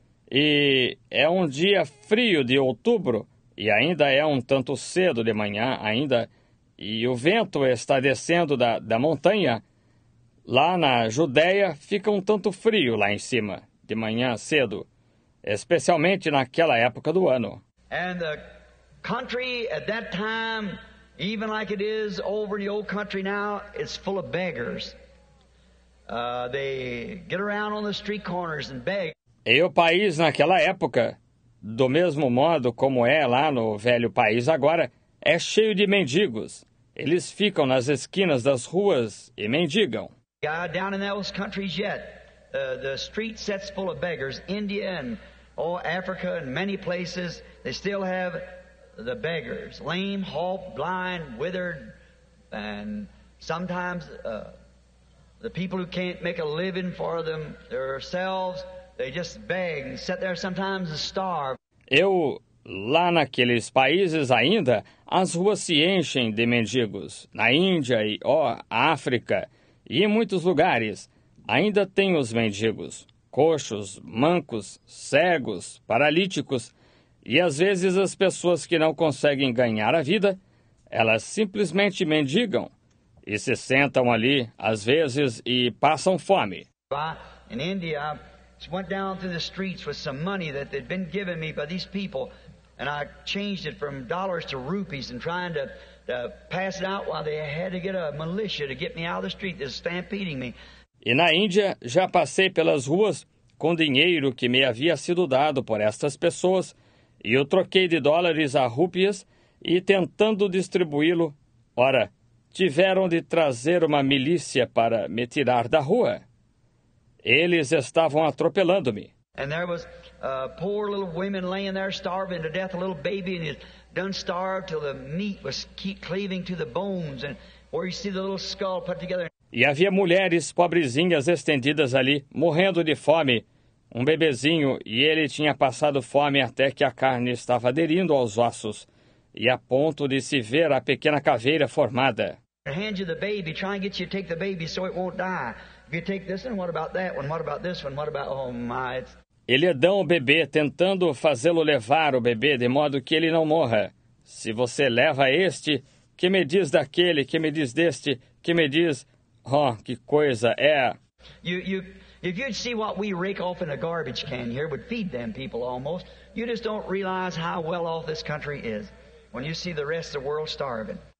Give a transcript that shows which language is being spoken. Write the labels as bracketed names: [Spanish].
[Portuguese] E é um dia frio de outubro, e ainda é um tanto cedo de manhã, ainda, e o vento está descendo da montanha. Lá na Judeia, fica um tanto frio lá em cima, de manhã cedo. Especialmente naquela época do ano. [English] And the country at that time, even like it is over in the old country now, it's full of beggars. They get around on the street corners and beg. [Portuguese] E o país naquela época, do mesmo modo como é lá no velho país agora, é cheio de mendigos. Eles ficam nas esquinas das ruas e mendigam. [English] Down in those countries yet, the street sets full of beggars, India and Africa and many places, they still have the beggars, lame, halt, blind, withered, and sometimes the people who can't make a living for them themselves, they just beg and sit there sometimes and starve. [Portuguese] Eu, lá naqueles países ainda, as ruas se enchem de mendigos, na Índia e África, e em muitos lugares, ainda tem os mendigos. Coxos, mancos, cegos, paralíticos, e às vezes as pessoas que não conseguem ganhar a vida, elas simplesmente mendigam e se sentam ali, às vezes, e passam fome. [English] In India, I went down through the streets with some money that they'd been given me by these people, and I changed it from dollars to rupees and trying to pass it out while they had to get a militia to get me out of the street that's stampeding me. [Portuguese] E na Índia, já passei pelas ruas com dinheiro que me havia sido dado por estas pessoas e o troquei de dólares a rúpias e tentando distribuí-lo. Ora, tiveram de trazer uma milícia para me tirar da rua. Eles estavam atropelando-me. E havia uma pobre [English] little woman laying there starving to death, a little baby, and he'd done starved till the meat was cleaving to the bones, and where you see the little skull put together. [Portuguese] E havia mulheres pobrezinhas estendidas ali, morrendo de fome. Um bebezinho, e ele tinha passado fome até que a carne estava aderindo aos ossos e a ponto de se ver a pequena caveira formada. [English] Hand you the baby, try and get you to take the baby so it won't die. If you take this one, what about that one? What about this one? What about, oh my. [Portuguese] Ele dá o bebê, tentando fazê-lo levar o bebê de modo que ele não morra. Se você leva este, que me diz daquele, que me diz deste, que me diz... Oh, que coisa é! [English] If you'd see what we rake off in a garbage can here would feed them people almost, you just don't realize how well off this country is when you see the rest of the world starving.